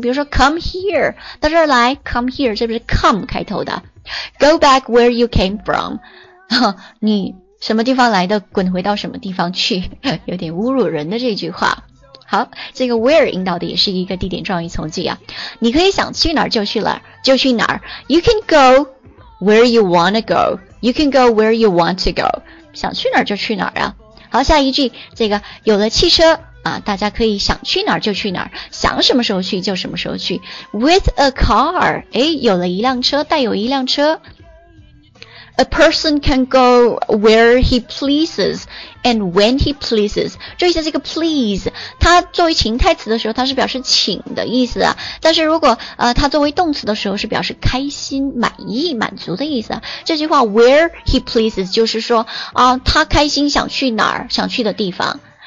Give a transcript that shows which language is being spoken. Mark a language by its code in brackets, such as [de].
[zh] 比如说 [en] come here， [zh] 到这儿来， come here， 这不是 come 开头的。 [en] Go back where you came from， [zh] 你什么地方来的，滚回到什么地方去，有点侮辱人的这句话。好，这个 where 引导的也是一个地点状语从句啊，你可以想去哪儿就去了，就去哪儿。 [en] You can goWhere you wanna go, you can go where you want to go. [zh] 想去哪儿就去哪儿啊。好，下一句，这个有了汽车啊，大家可以想去哪儿就去哪儿，想什么时候去就什么时候去。 [en] With a car, [zh] 诶，有了一辆车，带有一辆车。 [en] A person can go where he pleases and when he pleases. [zh] 注意一下这个 please, 它作为情态词的时候它是表示请的意思啊。但是如果它作为动词的时候是表示开心、满意、满足的意思啊。这句话 [en] where he pleases [zh] 就是说他开心想去哪儿，想去的地方。